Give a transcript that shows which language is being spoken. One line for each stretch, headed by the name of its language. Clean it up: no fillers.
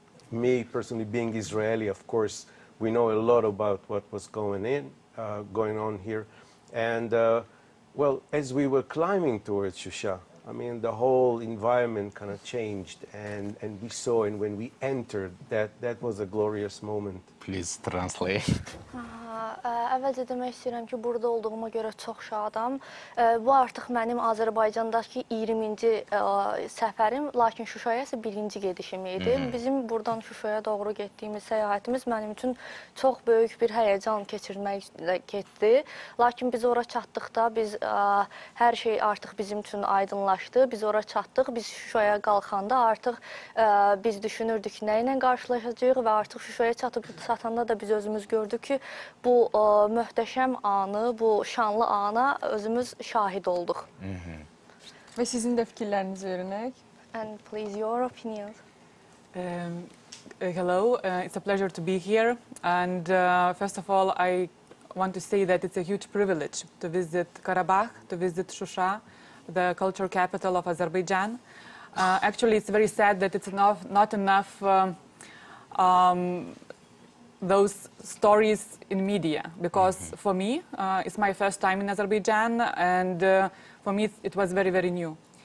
English: Me personally being Israeli, of course, we know a lot about what was going on here. And well, as we were climbing towards Şuşa, I mean, the whole environment kind of changed, and we saw, and when we entered, that was a glorious moment. Please translate.
Azerbaijani: Əvvəlcə demək istəyirəm ki, burada olduğuma görə çox şadam. Bu artıq mənim Azərbaycandakı 20-ci səfərim, lakin Şuşaya isə birinci gedişim idi. Bizim buradan Şuşaya doğru getdiyimiz səyahətimiz mənim üçün çox böyük bir həyəcan keçirməklə getdi. Lakin biz ora çatdıqda, hər şey artıq bizim üçün aydınlaşdı. Biz ora çatdıq, biz Şuşaya qalxanda artıq biz düşünürdük nə ilə qarşılaşacaq və artıq Şuşaya çatıb satanda da biz özümüz gördük ki, bu mühteşem anı, bu şanlı ana özümüz şahid olduq.
Turkish: Ve sizin de fikirlerinizi öğrenek.
English: And please, your opinion. Hello, it's a pleasure to be here. And first of all, I want to say that it's a huge privilege to visit Karabakh, to visit Şuşa, the cultural capital of Azerbaijan. Actually, it's very sad that it's not enough those stories in media, because for me, it's my first time in Azerbaijan, and for me, it was very, very new.